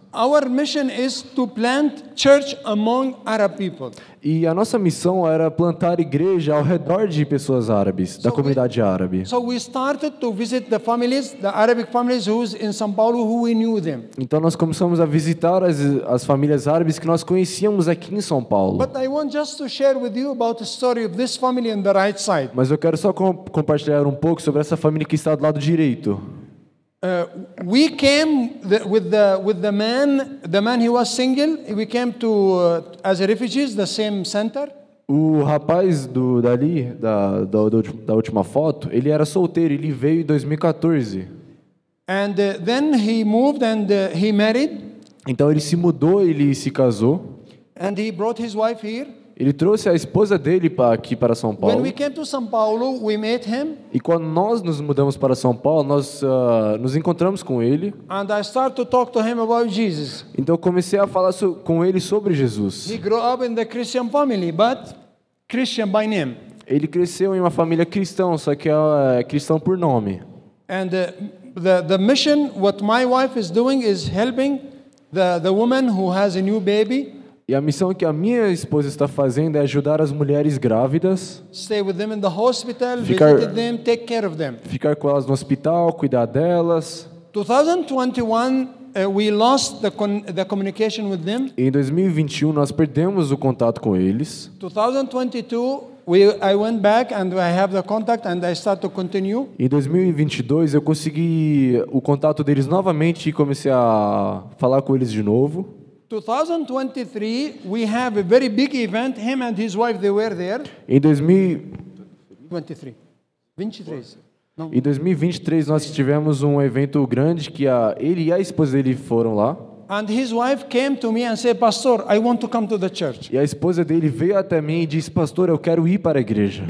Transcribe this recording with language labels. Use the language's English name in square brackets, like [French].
[English] Our mission is to plant church among Arab people. [Portuguese] E a nossa missão era plantar igreja ao redor de pessoas árabes, da comunidade árabe. [English] So we started to visit the families, the Arabic families who's in São Paulo who we knew them. [Portuguese] Então nós começamos a visitar as famílias árabes que nós conhecíamos aqui em São Paulo. [English] But I want just to share with you about the story of this family on the right side. [Portuguese] Mas eu quero só compartilhar um pouco sobre essa família que está do lado direito. [English] We came with the man. The man he was single. We came to as refugees the same center. [Portuguese] O rapaz da última foto, ele era solteiro. Ele veio em 2014. [English] And then he moved and he married. [Portuguese] Então ele se mudou, ele se casou. [English] And he brought his wife here. [Portuguese] Ele trouxe a esposa dele aqui para São Paulo. [English] When we came to São Paulo, we met him. [Portuguese] E quando nós nos mudamos para São Paulo, nós nos encontramos com ele. [English] And I started to talk to him about Jesus. [Portuguese] Então eu comecei a falar com ele sobre Jesus. [English] He grew up in the Christian family, but Christian by name. [Portuguese] Ele cresceu em uma família cristã, só que é cristão por nome. [English] And the mission what my wife is doing is helping the woman who has a new baby. [Portuguese] E a missão que a minha esposa está fazendo é ajudar as mulheres grávidas. [English] Stay with them in the hospital, visit them, take care of them. [Portuguese] Ficar com elas no hospital, cuidar delas. [English] 2021, we lost the communication with them. [Portuguese] Em 2021 nós perdemos o contato com eles. [English] 2022, I went back and I have the contact and I start to continue. [Portuguese] Em 2022 eu consegui o contato deles novamente e comecei a falar com eles de novo. [English] 2023, we have a very big event. Him and his wife, they were there. [Portuguese] Em 2023, nós tivemos um evento grande que ele e a esposa dele foram lá. [English] And his wife came to me and said, "Pastor, I want to come to the church." [Portuguese] E a esposa dele veio até mim e disse, "Pastor, eu quero ir para a igreja."